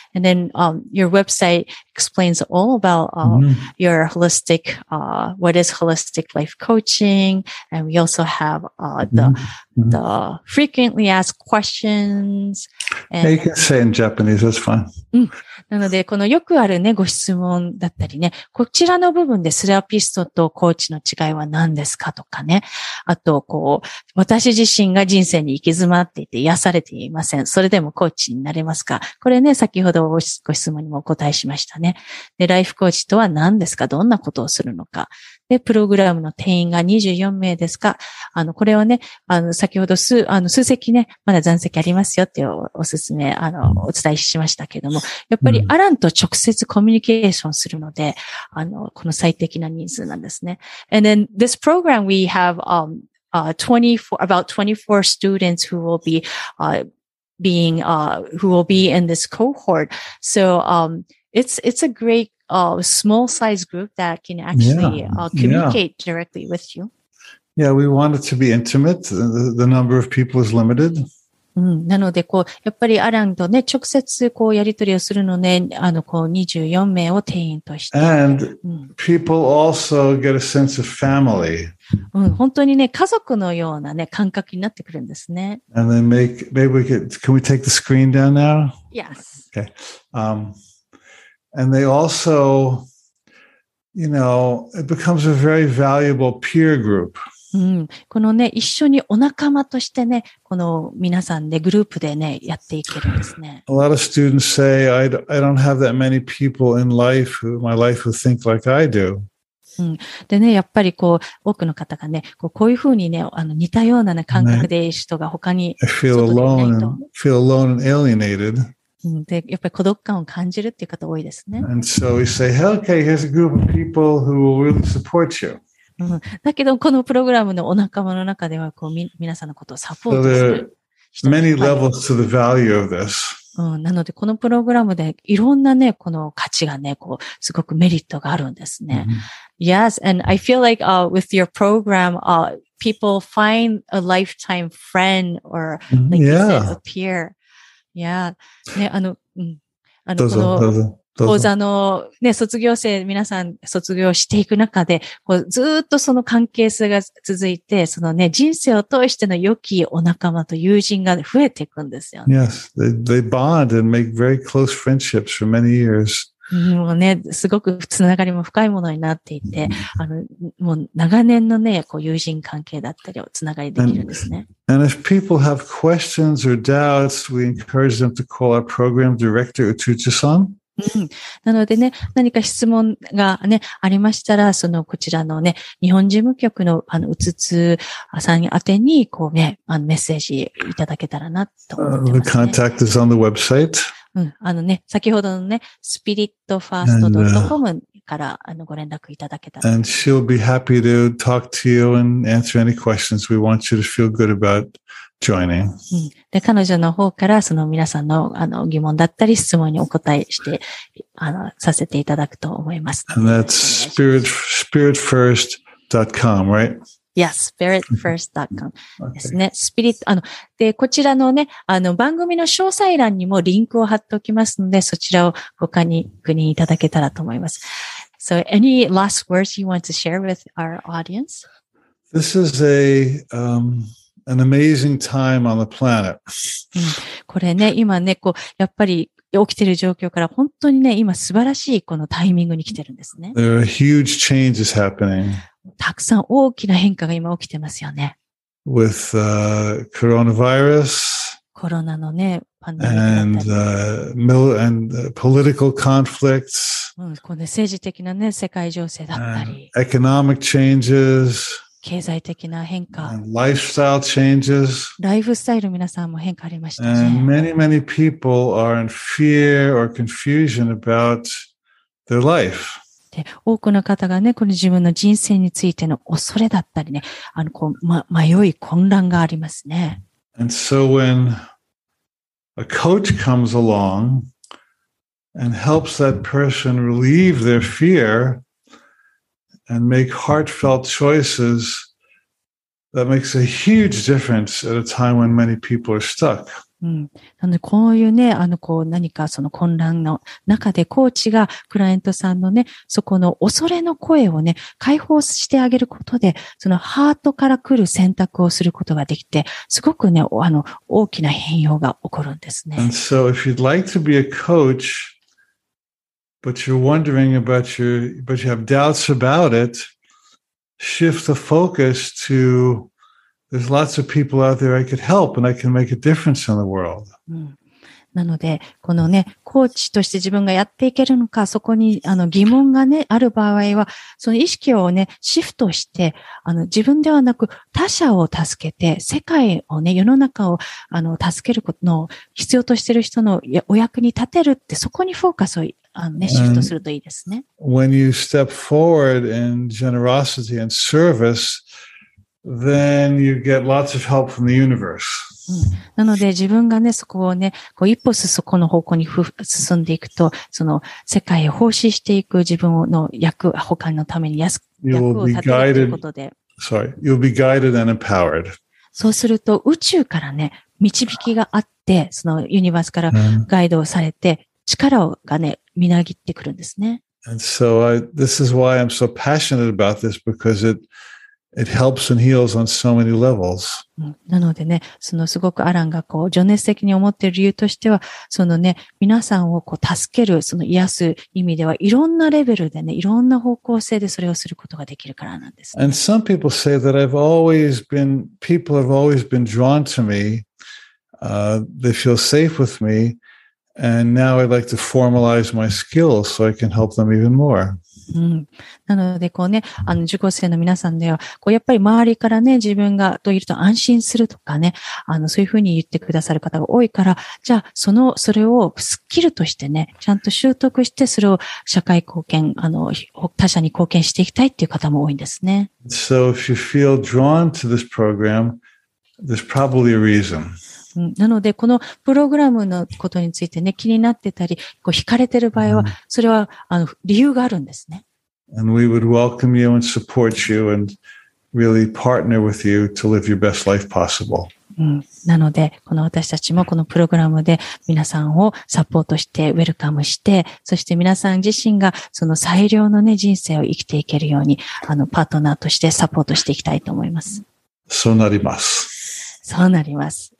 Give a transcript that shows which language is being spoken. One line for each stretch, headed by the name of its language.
English: And then, your website explains all about, your holistic, what is holistic life coaching. And we also have, the frequently asked questions. And, you can say in Japanese, that's fine.
Japanese: なので、このよくあるね、ご質問だったりね、こちらの部分でセラピストとコーチの違いは何ですかとかね。あと、こう、私自身が人生に行き詰まっていて癒されていません。それでもコーチになれますか？これね、先ほどご質問にもお答えしましたね。で、ライフコーチとは何ですか？どんなことをするのか。で、プログラムの定員が24名ですか？これはね、先ほど数席ね、まだ残席ありますよっていうおすすめ、お伝えしましたけども、やっぱりアランと直接コミュニケーションするので、この最適な人数なんですね。
English: And then, this program we have, about 24 students who will be, who will be in this cohort. So, it's a great, small size group that can actually, communicate directly with you. Yeah, we want it to be intimate. The number of people is limited.
Japanese: なので、こう、やっぱりアランとね、直接、こう、やり取りをするのね、こう、24名を定員として。
English: And people also get a sense of family.
Japanese: 本当にね、家族のようなね、感覚になってくるんですね。
English: And then maybe we could, can we take the screen down now? Yes. Okay. And they also, you know, it becomes a very valuable peer group.
Japanese: このね、一緒にお仲間としてね、この皆さんで、グループでね、やっていけるんですね。
English: A lot of students say, I don't have that many people in life, my life who think like I do.
Japanese: でね、やっぱりこう、多くの方がね、こういうふうにね、似たような、ね、感覚で人が他に、
English: I feel alone, feel alone and alienated.
Japanese: で、やっぱり孤独感を感じるっていう方多いですね。
English: And so we say, hey, okay, here's a group of people who will really support you.
Japanese: だけど、このプログラムのお仲間の中では、こう、皆さんのことをサポートする。
English: So there are many levels to the value of this.
Japanese: なので、このプログラムで、いろんなね、この価値がね、こう、すごくメリットがあるんですね。 Mm-hmm.
English: Yes, and I feel like, with your program, people find a lifetime friend or, like you said, a peer. Yeah. ね、
Japanese: どうぞ、どうぞ。講座のね、卒業生、皆さん卒業していく中で、こうずっとその関係性が続いて、そのね、人生を通しての良きお仲間と友人が増えていくんですよね。
English: Yes, they bond and make very close friendships for many years.
Japanese: もうね、すごくつながりも深いものになっていて、あの、もう長年のね、こう友人関係だったりをつながりできるんですね。
English: And if people have questions or doubts, we encourage them to call our program director, Utsuchi-san.
Japanese: なのでね、何か質問がね、ありましたら、そのこちらのね、日本事務局の、あの、Utsuchi さん宛てに、こうね、あの、メッセージいただけたらなと思ってますね。
English: The contact is on the website.
Japanese: あのね、先ほどのね、spiritfirst.com からあのご連絡いただけたら。
English: And she'll be happy to talk to you and answer any questions. We want you to feel good about joining.
Japanese: で、彼女の方からその皆さんのあの疑問だったり質問にお答えしてあのさせていただくと思います。
English: And that's spiritfirst.com, right? Yes,
Japanese: spiritfirst.com ですね。 spirit, あの、で、こちらのね、あの、番組の詳細欄にもリンクを貼っておきますので、そちらをご確認いただけたらと思います。
English: So, any last words you want to share with our audience? This is a, an amazing time on the planet.
Japanese: これね、今ね、こう、やっぱり起きている状況から本当にね、今素晴らしいこのタイミングに来てるんですね。
English: There are huge changes happening.
Japanese: たくさん大きな変化が今起きてますよね。
English: With, coronavirus.
Japanese: コロナのね、パンデミ
English: ック。And, and political conflicts.
Japanese: この政治的なね、世界情勢だったり。
English: Economic changes.
Japanese: 経済的な変化。
English: And lifestyle changes.
Japanese: ライフスタイル皆さんも変化ありましたね。
English: And many, many people are in fear or confusion about their life.
Japanese: 多くの方がね、この自分の人生についての恐れだったりね、あの、こう、ま、迷い、混乱がありますね。
English: And so when a coach comes along and helps that person relieve their fear and make heartfelt choices, that makes a huge difference at a time when many people are stuck.
Japanese: なので、こういうね、あの、こう、何かその混乱の中で、コーチがクライアントさんのね、そこの恐れの声をね、解放してあげることで、そのハートから来る選択をすることができて、すごくね、あの、大きな変容が起こるんですね。
English: And so, if you'd like to be a coach, but you're wondering about your, but you have doubts about it, shift the focus to,There's lots of people out there I could help and I can make a difference in the world.、
Japanese: なので、このね、コーチとして自分がやっていけるのか、そこにあの疑問がね、ある場合は、その意識をね、シフトして、あの自分ではなく他者を助けて、世界をね、世の中をあの助けることの必要としている人のお役に立てるって、そこにフォーカスをあの、ね、シフトするといいですね。
English: And、when you step forward in generosity and service,Then you get lots of help from the universe.
Japanese: なので自分がね、そこをね、こう一歩そこの方向に進んでいくと、その世界を奉仕していく自分の役、他のために役を立てるということで。
English: Sorry, you'll be guided and empowered.
Japanese: そうすると宇宙からね、導きがあって、そのユニバースからガイドをされて、力がね、みなぎってくるんですね。
English: And so I, this is why I'm so passionate about this, because it helps and heals on so many levels.
Japanese: なのでね、そのすごくアランがこう情熱的に思っている理由としては、そのね、皆さんをこう助ける、その癒す意味では、いろんなレベルでね、いろんな方向性でそれをすることができるからなんです、ね。
English: And some people say that I've always been, people have always been drawn to me, they feel safe with me, and now I'd like to formalize my skills so I can help them even more.
Japanese: なので、こうね、あの、受講生の皆さんでは、こう、やっぱり周りからね、自分がといると安心するとかね、あの、そういうふうに言ってくださる方が多いから、じゃあ、その、それをスキルとしてね、ちゃんと習得して、それを社会貢献、あの、他者に貢献していきたいっていう方も多いんですね。
English: So, if you feel drawn to this program, there's probably a reason.
Japanese: なので、このプログラムのことについてね、気になってたり、こう、惹かれてる場合は、それは、あの、理由があるんですね。
English: And we would welcome you and support you and really partner with you to live your best life possible.
Japanese: なので、この私たちもこのプログラムで皆さんをサポートして、ウェルカムして、そして皆さん自身がその最良のね、人生を生きていけるように、あの、パートナーとしてサポートしていきたいと思います。そうなります。そうなります。